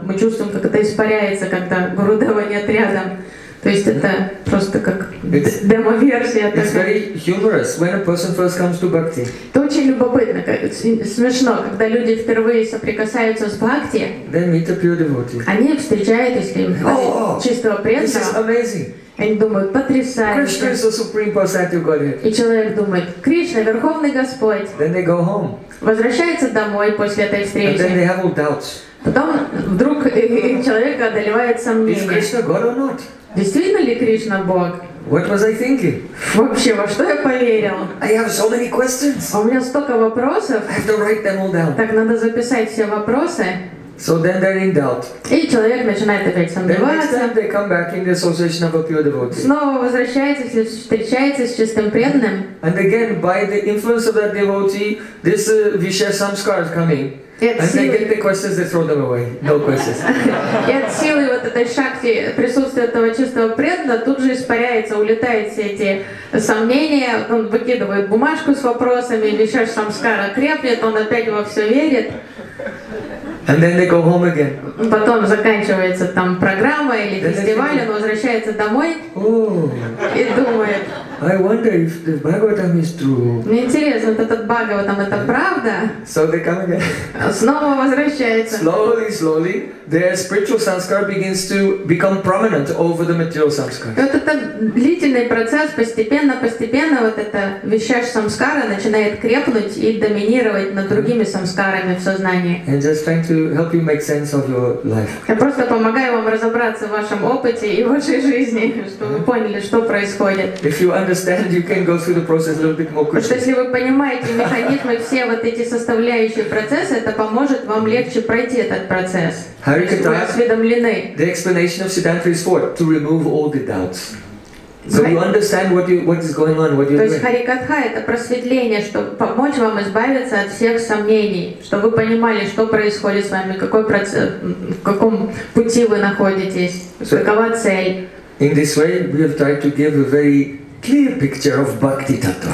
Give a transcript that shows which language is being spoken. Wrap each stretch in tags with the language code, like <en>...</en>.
<ru>Мы чувствуем, как это испаряется, когда Гурудева нет рядом. То есть это просто как демо-версия.</ru> <en>It's very humorous when a person first comes to bhakti.</en> <ru>Это очень любопытно, смешно, когда люди впервые соприкасаются с бхакти,</ru> <en>they meet a pure devotee.</en> <ru>Они встречают, если им чистого преданного. Они думают, потрясающе.</ru> <en>Krishna is the supreme personality of Godhead.</en> <ru>И человек думает, Кришна, Верховный Господь.</ru> <en>Then they go home.</en> <ru>Возвращается домой после этой встречи.</ru> <en>And then they have all doubts.</en> <ru>Потом вдруг человека одолевает сомнение.</ru> <en>Is Krishna God or not?</en> <ru>Действительно ли Кришна Бог?</ru> <en>What was I thinking?</en> <ru>Вообще, во что я поверил?</ru> <en>I have so many questions.</en> <ru>А у меня столько вопросов.</ru> <en>I have to write them all down.</en> <ru>Так надо записать все вопросы.</ru> <en>So then they're in doubt.</en> <ru>И человек начинает опять сомневаться.</ru> <en>Then next time they come back in the association of a pure devotee.</en> <ru>Снова возвращается, встречается с чистым преданным.</ru> <en>And again, by the influence of that devotee, this vishesh samskar is coming. And they get the questions, they throw them away. No questions.</en> <ru>И от силы вот этой шакти присутствия этого чистого преданного тут же испаряется, улетают все эти сомнения. Он выкидывает бумажку с вопросами, вишеш самскара крепнет, он опять во все верит.</ru> <en>And then they go home again.</en> <ru>Потом заканчивается там программа или фестиваль, он возвращается домой и думает.</ru> <en>I wonder if the Bhagavatam is true.</en> <ru>Мне интересно, этот Бхагаватам это правда?</ru> <en>So they come again.</en> <ru>Снова возвращается.</ru> <en>Slowly, slowly, their spiritual samskara begins to become prominent over the material samskara.</en> <ru>Вот это длительный процесс, постепенно, постепенно вот эта вишеш самскара начинает крепнуть и доминировать над другими самскарами в сознании.</ru> <en>And just trying to help you make sense of your life.</en> <ru>Я просто помогаю вам разобраться в вашем опыте и вашей жизни, чтобы вы поняли, что происходит.</ru> <en>Understand, you can go through the process a little bit more quickly.</en> <ru>Что если вы понимаете механизмы, все вот эти составляющие процессы, это поможет вам легче пройти этот процесс. Харикатха. Вы осведомлены.</ru> <en>The explanation of Siddhanta is for to remove all the doubts. So you understand what is going on, what you're doing.</en> <ru>То есть харикатха это просветление, чтобы помочь вам избавиться от всех сомнений, чтобы вы понимали, что происходит с вами, какой процесс, в каком пути вы находитесь, какова цель.</ru> <en>In this way, we have tried to give a very clear picture of bhakti tattva.</en>